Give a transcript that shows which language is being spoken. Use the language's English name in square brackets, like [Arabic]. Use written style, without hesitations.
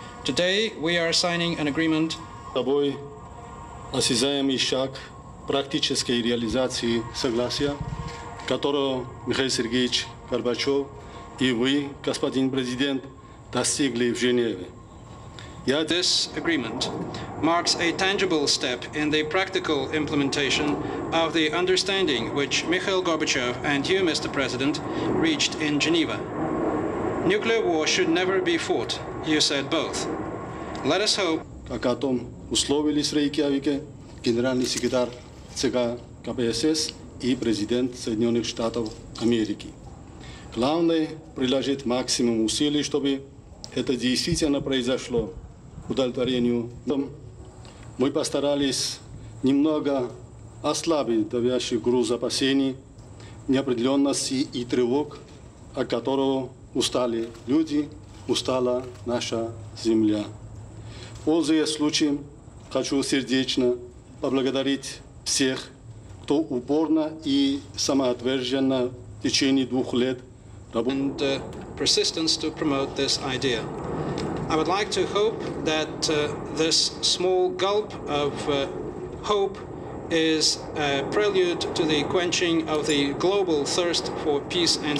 [English] Today we are signing an agreement. [Russian] Тобой осязаемый шаг практической реализации согласия, которого Михаил Сергеевич Горбачев и вы, господин президент, достигли в Женеве. [English] This agreement marks a tangible step in the practical implementation of the understanding which Mikhail Gorbachev and you, Mr. President, reached in Geneva. Nuclear war should never be fought, you said both. Let us hope. [Russian] Как о том условились в Рейкьявике генеральный секретарь ЦК КПСС и президент Соединенных Штатов Америки. Главное приложить максимум усилий, чтобы это действительно произошло. Удовлетворению мы постарались немного ослабить давящий груз опасений, неопределенности и тревог, от которого устали люди, устала наша земля. Пользуясь случаем, хочу сердечно поблагодарить всех, кто упорно и самоотверженно в течение 2 лет работал. [English] I would like to hope that this small gulp of hope is a prelude to the quenching of the global thirst for peace and